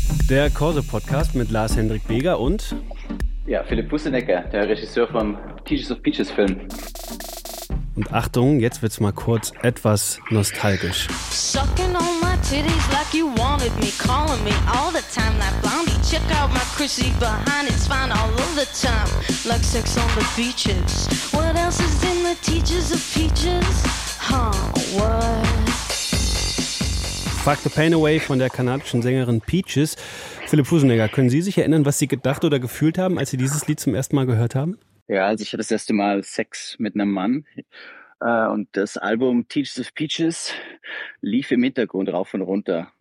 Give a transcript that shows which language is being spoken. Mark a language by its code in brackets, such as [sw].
[de] Der Corso-Podcast mit Lars-Hendrik Beger und... Ja, Philipp Bussenecker, der Regisseur vom Teachers of Peaches-Film. Und Achtung, jetzt wird's mal kurz etwas nostalgisch. [en] Sucking on my titties like you wanted me, calling me all the time like Blondie. Check out my Chrissy behind, it's fine all of the time. Like sex on the beaches. What else is in the Teachers of Peaches? Huh, what? [de] Fuck the Pain Away von der kanadischen Sängerin Peaches. Philipp Fusenegger, können Sie sich erinnern, was Sie gedacht oder gefühlt haben, als Sie dieses Lied zum ersten Mal gehört haben? Ja, also ich hatte das erste Mal Sex mit einem Mann und das Album Teachers of Peaches lief im Hintergrund rauf und runter.